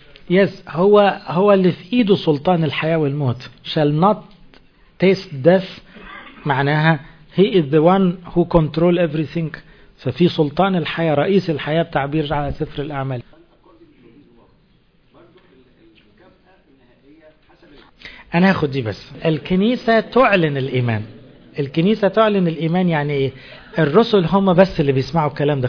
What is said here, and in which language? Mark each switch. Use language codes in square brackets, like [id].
[ar] يس، هو اللي في ايده سلطان الحياة والموت. [en] shall not taste death، [ar] معناها [en] he is the one who control everything. [ar] ففي سلطان الحياة، رئيس الحياة بتعبير على سفر الاعمال. انا هاخد دي بس. الكنيسة تعلن الايمان. الكنيسة تعلن الايمان يعني ايه؟ الرسل هم بس اللي بيسمعوا الكلام ده.